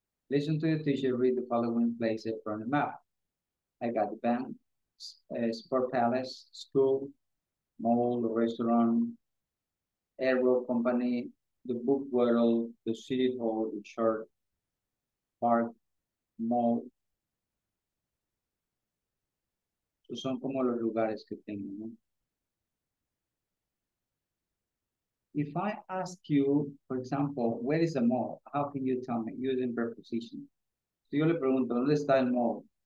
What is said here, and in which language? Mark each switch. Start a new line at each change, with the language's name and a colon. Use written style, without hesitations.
English: Listen to your teacher read the following places from the map. I got the bank, sport palace, school, mall, the restaurant, aero company, the book world, the city hall, the church, park, mall.
Spanish: Esos son como los lugares que tengo, ¿no?
English: If I ask you, for example, where is the mall? How can you tell me using preposition?
Spanish: Si yo le pregunto, ¿dónde está el mall?